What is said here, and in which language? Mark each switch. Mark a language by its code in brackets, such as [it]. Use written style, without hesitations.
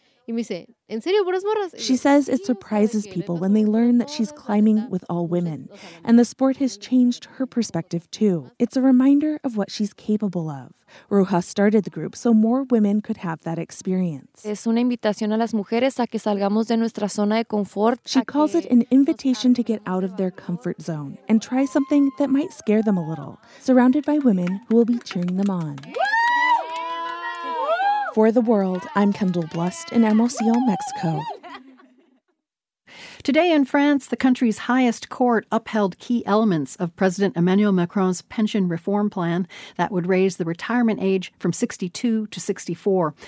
[en] She says it surprises people when they learn that she's climbing with all women. And the sport has changed her perspective, too. It's a reminder of what she's capable of. Rojas started the group so more women could have that experience. [es] Es una invitación a las mujeres a que salgamos de nuestra zona de confort. [en] She calls it an invitation to get out of their comfort zone and try something that might scare them a little, surrounded by women who will be cheering them on. For the World, I'm Kendall Blust in Hermosillo, Mexico. Today in France, the country's highest court upheld key elements of President Emmanuel Macron's pension reform plan that would raise the retirement age from 62 to 64.